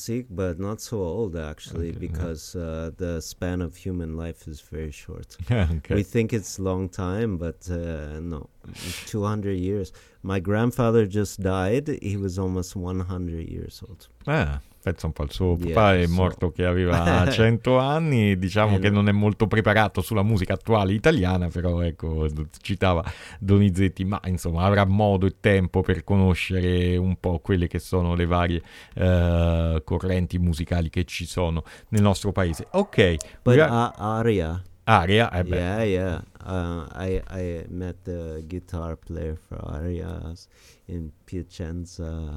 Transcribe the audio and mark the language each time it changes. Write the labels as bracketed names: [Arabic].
[English] but not so old actually, okay, because the span of human life is very short. Okay. We think it's long time, but no, 200 years. My grandfather just died; he was almost 100 years old. [Italian] Pezzo un po', il suo papà è morto che aveva 100 anni, diciamo che non è molto preparato sulla musica attuale italiana, però ecco, citava Donizetti, ma insomma avrà modo e tempo per conoscere un po' quelle che sono le varie correnti musicali che ci sono nel nostro paese. [English] Ok. But Aria. Aria, I met the guitar player for Aria in Piacenza.